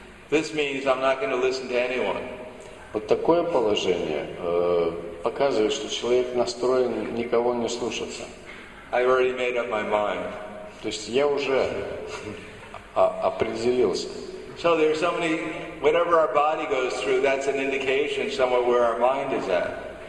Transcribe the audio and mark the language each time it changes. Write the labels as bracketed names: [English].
[English] This means I'm not going to listen to anyone. [Russian] Вот такое положение показывает, что человек настроен никого не слушаться. [English] I've already made up my mind. [Russian] То есть я уже определился. [English] So there are so many, whatever our body goes through, that's an indication somewhere where our mind is at.